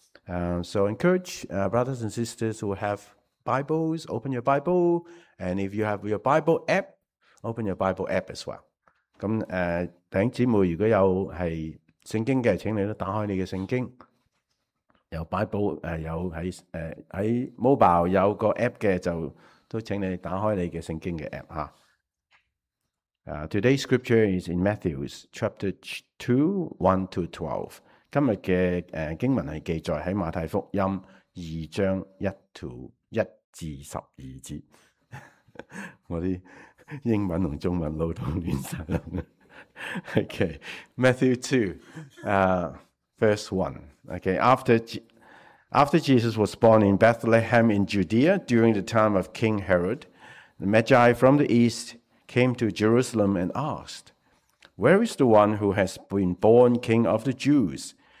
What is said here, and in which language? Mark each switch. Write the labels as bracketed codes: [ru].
[en] So encourage brothers and sisters who have Bibles, open your Bible. And if you have your Bible app, open your Bible app as well. [yue] 咁弟兄姊妹，如果有系圣经嘅，请你都打开你嘅圣经。有 Bible 有喺mobile 有个 app 嘅，就都请你打开你嘅圣经嘅 app 吓。 [en] Today's scripture is in Matthew chapter 2:1-12. [yue] 今日嘅经文系记载喺马太福音2:1-12。我啲英文同中文老到乱晒啦。 [en] Okay, Matthew 2, verse 1. Okay, after Jesus was born in Bethlehem in Judea during the time of King Herod, the Magi from the east came to Jerusalem and asked, "Where is the one who has been born King of the Jews?